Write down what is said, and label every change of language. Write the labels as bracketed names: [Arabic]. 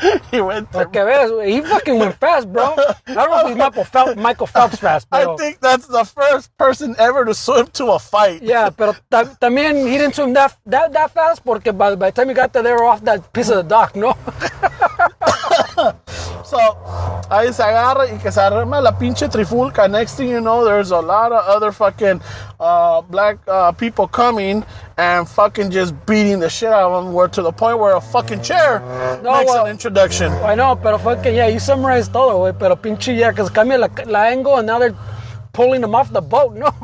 [English] He fucking went fast, bro. I don't know if he's Michael Phelps fast, bro. I think that's the first person ever to swim to a fight. Yeah, [Spanish] pero también [English] he didn't swim that fast, [Spanish] porque [English] by the time he got there, they were off that piece of the dock, no? [Spanish] So, ahí se agarra y que se arma la pinche trifulca. [English] Next thing you know, there's a lot of other fucking black people coming and fucking just beating the shit out of them. We're to the point where a fucking chair makes an introduction. I know, pero fucking, yeah, you summarized [Spanish] todo, güey. Pero pinche, [English] yeah, because [Spanish] cambia la [English] angle and now they're pulling them off the boat, no?